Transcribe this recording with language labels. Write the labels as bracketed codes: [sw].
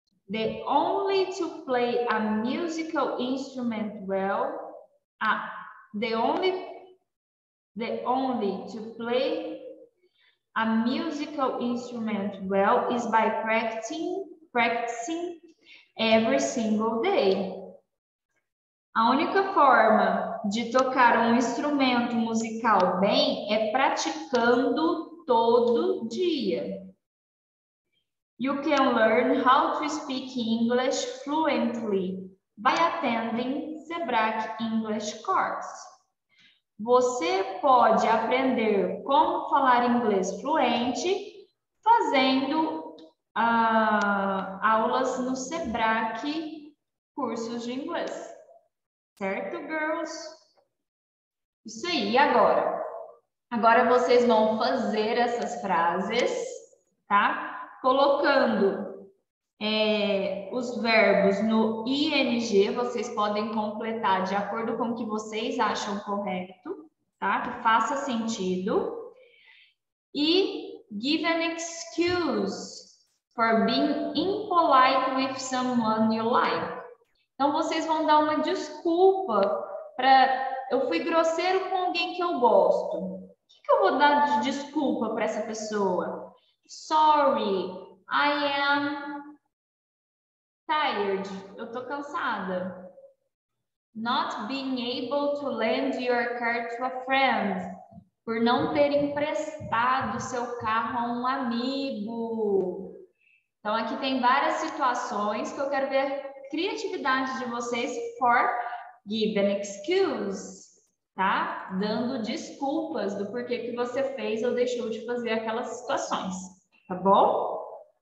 [en] The only to play a musical instrument well, is by practicing every single day. [pt] A única forma de tocar um instrumento musical bem é praticando todo dia. [en] You can learn how to speak English fluently by attending Sebrae English Course. [pt] Você pode aprender como falar inglês fluente fazendo aulas no Sebrae Cursos de Inglês. Certo, girls? Isso aí, agora? Agora vocês vão fazer essas frases, tá? Colocando os verbos no ing, vocês podem completar de acordo com o que vocês acham correto, tá? Que faça sentido. [en] E give an excuse for being impolite with someone you like. [pt] Então, vocês vão dar uma desculpa para... Eu fui grosseiro com alguém que eu gosto. O que eu vou dar de desculpa para essa pessoa? [en] Sorry, I am tired. [pt] Eu tô cansada. [en] Not being able to lend your car to a friend. [pt] Por não ter emprestado seu carro a um amigo. Então, aqui tem várias situações que eu quero ver criatividade de vocês [en] for give an excuse, [pt] tá? Dando desculpas do porquê que você fez ou deixou de fazer aquelas situações, tá bom?